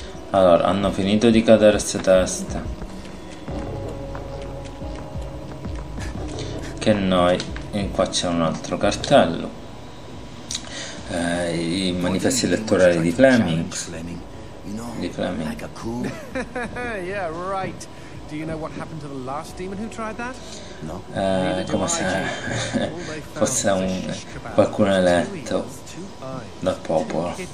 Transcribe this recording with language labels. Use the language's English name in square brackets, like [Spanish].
[Italian] Allora, hanno finito di cadere queste teste. Che noi, in qua c'è un altro cartello. I manifesti elettorali di Fleming. Di Fleming. [English] Yeah, right. Do you know what happened to the last demon who tried that? No. [Italian] Come se fosse un qualcuno eletto dal popolo.